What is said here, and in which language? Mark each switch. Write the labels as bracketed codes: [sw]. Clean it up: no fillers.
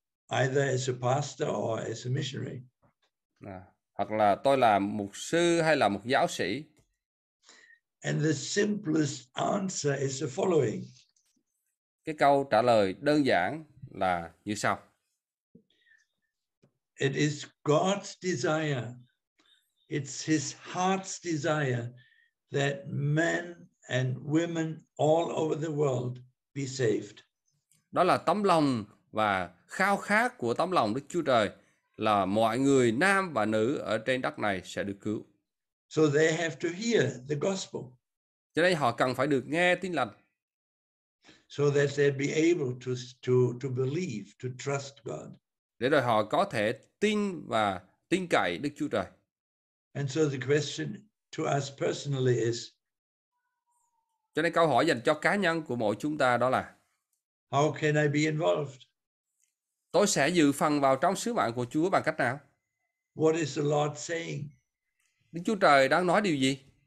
[en] Either as a pastor or as a missionary. [vi] Hoặc là tôi là mục sư hay là một giáo sĩ. [en] And the simplest answer is the following. [vi] Cái câu trả lời đơn giản là như sau. [en] It is God's desire, it's his heart's desire that men and women all over the world be saved. [vi] Đó là tấm lòng và khao khát của tấm lòng Đức Chúa Trời là mọi người nam và nữ ở trên đất này sẽ được cứu. [en] So they have to hear the gospel. [vi] Cho nên họ cần phải được nghe tin lành. [en] So that they'd be able to believe, to trust God. [vi] Để rồi họ có thể tin và tin cậy Đức Chúa Trời. [en] And so the question to us personally is, [vi] cho nên câu hỏi dành cho cá nhân của mỗi chúng ta đó là, [en] how can I be involved? [vi] Tôi sẽ dự phần vào trong sứ mạng của Chúa bằng cách nào? [en] What is the Lord saying? [vi] Đức Chúa Trời đang nói điều gì?